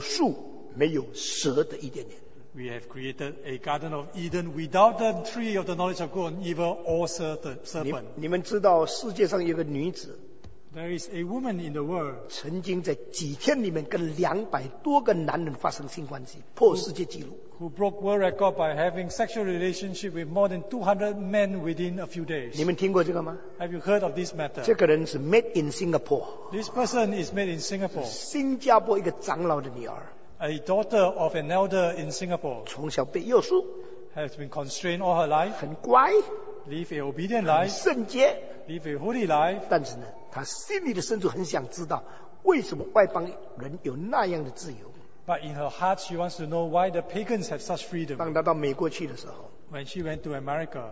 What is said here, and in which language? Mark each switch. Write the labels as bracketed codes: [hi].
[zh] 制造一个没有分别果树、没有蛇的伊甸园。 [en] We have created a garden of Eden without the tree of the knowledge of good and evil or serpent. [zh] 你们知道世界上有个女子, [en] there is a woman in the world [zh] 曾经在几天里面跟200多个男人发生性关系, 破世界纪录, [en] who broke world record by having sexual relationship with more than 200 men within a few days. [zh] 你们听过这个吗? [en] Have you heard of this matter? [zh] 这个人是 [en] made in Singapore. This person is made in Singapore. [zh] 新加坡一个长老的女儿, [en] a daughter of an elder in Singapore, [zh] 从小被约束, [en] has been constrained all her life, [zh] 很乖, [en] live an obedient life, [zh] 很圣洁, [en] live a holy life. [zh] 但是呢, 她心里的深处很想知道为什么外邦人有那样的自由。 [en] But in her heart, she wants to know why the pagans have such freedom. [zh] 当她到美国去的时候, [en] when she went to America,